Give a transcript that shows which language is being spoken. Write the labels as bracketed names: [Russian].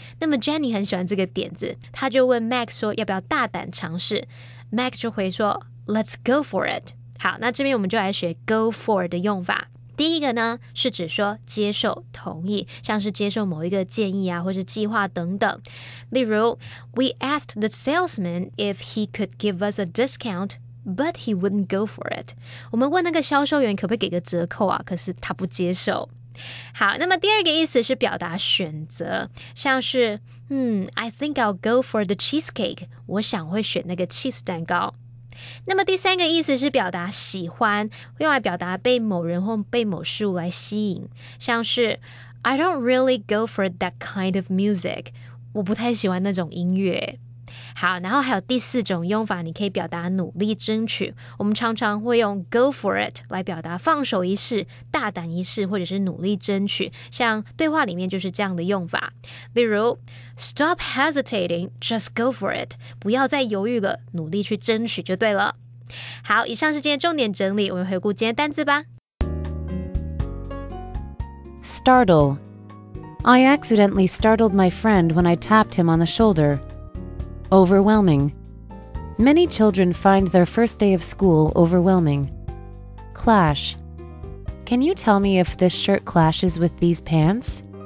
[Chinese] 那么 Jenny 很喜欢这个点子，他就问 Max 说要不要大胆尝试。 Max 就回说 [English] Let's go for it。 [Chinese] 好，那这边我们就来学 go for 的用法。第一个呢，是指说接受、同意，像是接受某一个建议啊，或是计划等等。例如 [English] ，We asked the salesman if he could give us a discount, but he wouldn't go for it. [Chinese] 我们问那个销售员可不可以给个折扣啊，可是他不接受。好，那么第二个意思是表达选择，像是 [English] I think I'll go for the cheesecake. [Chinese] 我想会选那个 cheese 蛋糕。那么第三个意思是表达喜欢，用来表达被某人或被某事物来吸引，像是 [English] I don't really go for that kind of music， [Chinese] 我不太喜欢那种音乐。好，然后还有第四种用法，你可以表达努力争取，我们常常会用 go for it 来表达放手一试、大胆一试或者是努力争取，像对话里面就是这样的用法。例如 [English] stop hesitating, just go for it， [Chinese] 不要再犹豫了，努力去争取就对了。好，以上是今天重点整理，我们回顾今天单字吧。 [English] startle， I accidentally startled my friend when I tapped him on the shoulderOverwhelming. Many children find their first day of school overwhelming. Clash. Can you tell me if this shirt clashes with these pants?